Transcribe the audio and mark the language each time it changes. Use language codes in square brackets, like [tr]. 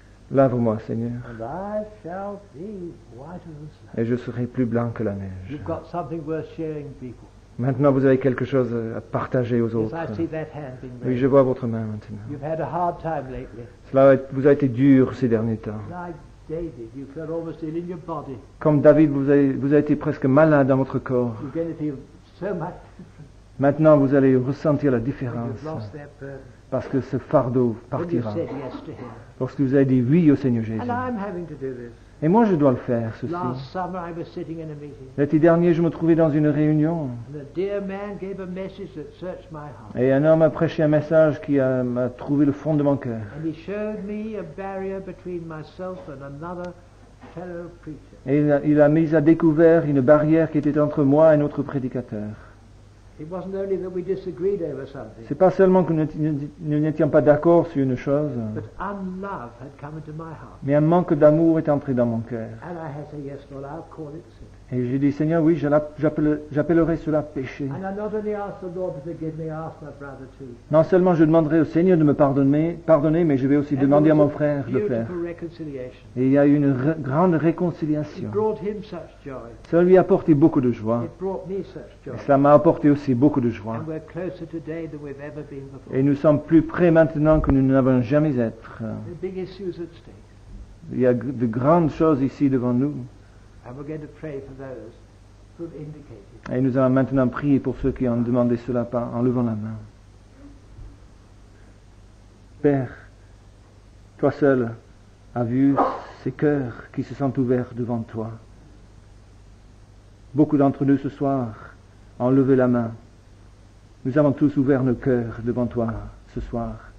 [fr] Lave-moi, Seigneur. [en] And I shall be whiter than snow. [fr] Et je serai plus blanc que la neige. [en] You've got something worth sharing, people. [fr] Maintenant, vous avez quelque chose à partager aux autres. [en] Yes, I see that hand being [fr] oui, je vois votre main maintenant. [en] You've had a hard time lately. [fr] Cela vous a été dur ces derniers temps. [en] David, you feel almost ill in your body. [fr] Comme David, vous avez été presque malade dans votre corps. [en] You're going to feel so much. [fr] Maintenant, vous allez ressentir la différence. [en] You've lost that [fr] parce que ce fardeau partira. [en] When you said yes to him. [fr] Lorsque vous avez dit oui au Seigneur Jésus. [en] And I'm having to do this. [fr] Et moi, je dois le faire, ceci. [en] Last summer, I was sitting in a meeting. [fr] L'été dernier, je me trouvais dans une réunion. [en] And a dear man gave a message that searched my heart. [fr] Et un homme a prêché un message qui m'a trouvé le fond de mon cœur. [en] And he showed me a barrier between myself and another fellow preacher. [fr] Et il a mis à découvert une barrière qui était entre moi et notre prédicateur. [en] It wasn't only that we disagreed over something. [fr] C'est pas seulement que nous n'étions pas d'accord sur une chose. [en] But unlove had come into my heart. [fr] Mais un manque d'amour est entré dans mon cœur. [en] And I had said, yes, Lord, I'll call it sin. [fr] Et j'ai dit, Seigneur, oui, j'appellerai cela péché. [en] And I not only asked the Lord to forgive me, I asked my brother too. [fr] Non seulement je demanderai au Seigneur de me pardonner, mais je vais aussi [en] and [fr] demander à mon frère de faire. Et il y a eu une grande réconciliation. [en] It brought him such joy. [fr] Cela lui a apporté beaucoup de joie. [en] It brought me such joy. [fr] Et cela m'a apporté aussi beaucoup de joie. [en] And we're closer today than we've ever been before. [fr] Et nous sommes plus près maintenant que nous n'avons jamais été. [en] The big issues at stake. [fr] Il y a de grandes choses ici devant nous. [en] And we're going to pray for those who've indicated. [fr] Et nous allons maintenant prier pour ceux qui ont demandé cela en levant la main. Père, toi seul as vu ces cœurs qui se sentent ouverts devant toi. Beaucoup d'entre nous ce soir ont levé la main. Nous avons tous ouvert nos cœurs devant toi ce soir.